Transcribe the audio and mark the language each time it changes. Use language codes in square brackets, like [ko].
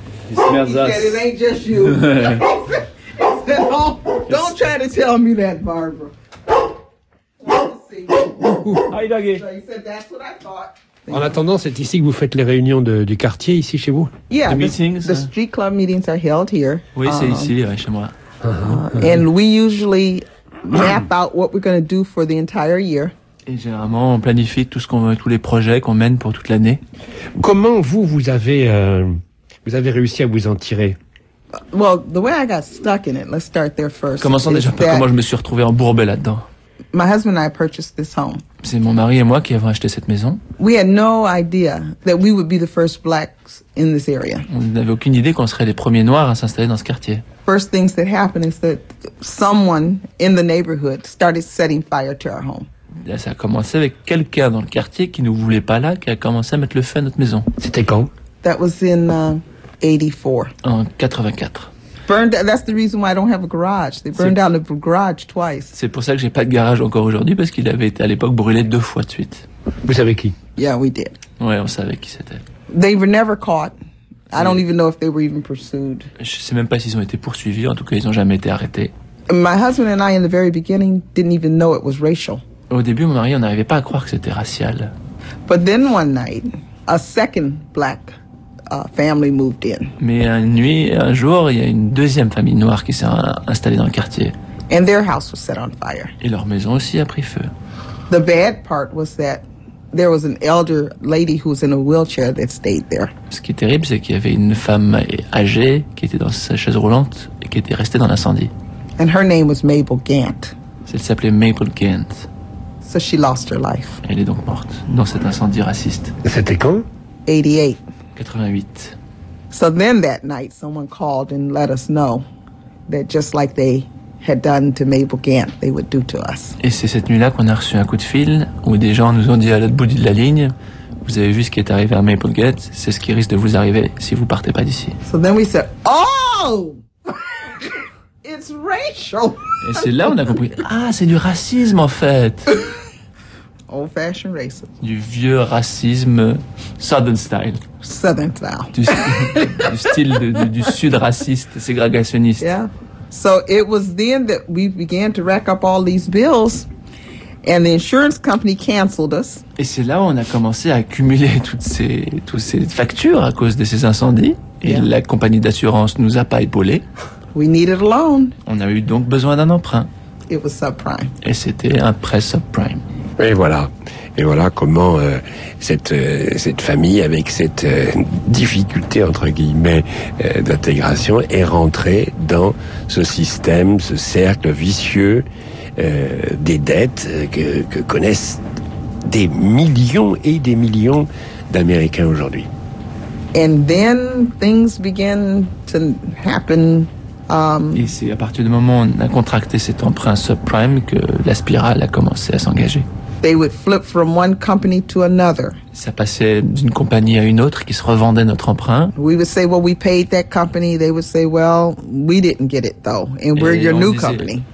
[en] It's me. He said it ain't just you. Don't try to tell me that, Barbara. Hi, Dougie. So he said that's what I thought. [fr] En attendant, c'est ici que vous faites les réunions du quartier, ici chez vous? [en] Yeah, meetings, the street club meetings are held here. [fr] Oui, c'est ici, ouais, chez moi. [en] And we usually map out what we're going to do for the entire year. [fr] Et généralement, on planifie tous les projets qu'on mène pour toute l'année. Comment vous avez réussi à vous en tirer? [en] Well, the way I got stuck in it, let's start there first. [fr] Commençons déjà par comment je me suis retrouvé embourbé là-dedans. [en] My husband and I purchased this home. [fr] C'est mon mari et moi qui avons acheté cette maison. [en] We had no idea that we would be the first blacks in this area. [fr] On n'avait aucune idée qu'on serait les premiers noirs à s'installer dans ce quartier. [en] First things that happened is that someone in the neighborhood started setting fire to our home. [fr] Là, ça a commencé avec quelqu'un dans le quartier qui ne voulait pas là, qui a commencé à mettre le feu à notre maison. C'était quand? [en] That was in 84. [fr] En 84. [en] Burned. That's the reason why I don't have a garage. They burned down the garage twice. [fr] C'est pour ça que j'ai pas de garage encore aujourd'hui parce qu'il avait été à l'époque brûlé deux fois de suite. Vous savez qui? [en] Yeah, we did. [fr] Ouais, on savait qui c'était. [en] They were never caught. I don't even know if they were even pursued. [fr] Je sais même pas s'ils ont été poursuivis. En tout cas, ils ont jamais été arrêtés. [en] My husband and I, in the very beginning, didn't even know it was racial. [fr] Au début, mon mari, on n'arrivait pas à croire que c'était racial. [en] But then one night, a second black. Family moved in. [fr] Mais un jour, il y a une deuxième famille noire qui s'est installée dans le quartier. [en] And their house was set on fire. [fr] Et leur maison aussi a pris feu. [en] The bad part was that there was an elder lady who was in a wheelchair that stayed there. [fr] Ce qui est terrible, c'est qu'il y avait une femme âgée qui était dans sa chaise roulante et qui était restée dans l'incendie. [en] And her name was Mabel Gant. [fr] Elle s'appelait Mabel Gant. [en] So she lost her life. [fr] Elle est donc morte dans cet incendie raciste. C'était quand? [en] 88. [fr] 88. [en] So then that night, someone called and let us know that just like they had done to Mabel Gantt, they would do to us. [fr] Et c'est cette nuit-là qu'on a reçu un coup de fil où des gens nous ont dit à l'autre bout de la ligne, vous avez vu ce qui est arrivé à Mabel Gantt, c'est ce qui risque de vous arriver si vous partez pas d'ici. [en] So then we said, oh, it's racial. [fr] Et c'est là où on a compris, ah, c'est du racisme en fait. [en] Old-fashioned racism. [fr] Du vieux racisme [en] Southern style. Southern style. [fr] Du style du sud raciste, ségrégationniste. [en] Yeah. So it was then that we began to rack up all these bills, and the insurance company canceled us. [fr] Et c'est là où on a commencé à accumuler toutes ces factures à cause de ces incendies, et yeah. La compagnie d'assurance nous a pas épaulés. [en] We needed a loan. [fr] On a eu donc besoin d'un emprunt. [en] It was subprime. [fr] Et c'était un prêt subprime. Et voilà. Et voilà comment cette famille, avec cette difficulté, entre guillemets, d'intégration, est rentrée dans ce système, ce cercle vicieux des dettes que connaissent des millions et des millions d'Américains aujourd'hui. [en] And then things begin to happen. [fr] Et c'est à partir du moment où on a contracté cet emprunt subprime que la spirale a commencé à s'engager. [en] They would flip from one company to another. [fr] Ça passait d'une compagnie à une autre qui se revendait notre emprunt. [en] We would say, well, we paid that company. They would say, well, we didn't get it though, and we're your new company.